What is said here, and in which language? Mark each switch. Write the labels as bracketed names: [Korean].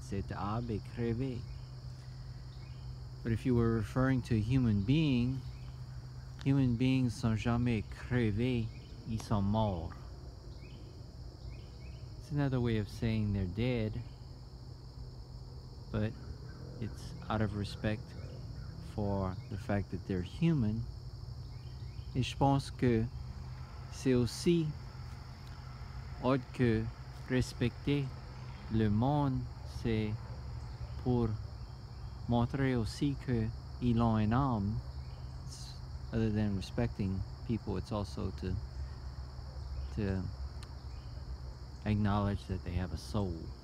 [French] Cet arbre est crevé. [English] But if you were referring to a human being, human beings [French] sont jamais crevés, ils sont morts. [English] It's another way of saying they're dead, but it's out of respect for the fact that they're human. [French] Et je pense que c'est aussi autre que respecter le monde, c'est pour montrer aussi qu'ils ont une âme. [English] Other than respecting people, it's also to acknowledge that they have a soul.